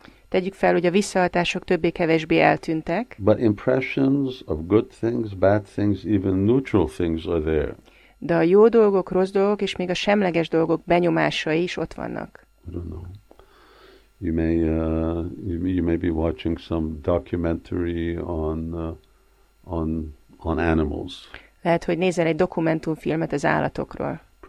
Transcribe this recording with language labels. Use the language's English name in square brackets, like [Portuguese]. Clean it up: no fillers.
[Hungarian] Tegyük fel, hogy a visszahatások többé-kevésbé eltűntek. [English] But impressions of good things, bad things, even neutral things are there. [Hungarian] De a jó dolgok, rossz dolgok, és még a semleges dolgok benyomásai is ott vannak. [English] I don't know. You may be watching some documentary on animals. [Hungarian] Lehet, hogy nézel egy dokumentumfilmet az állatokról.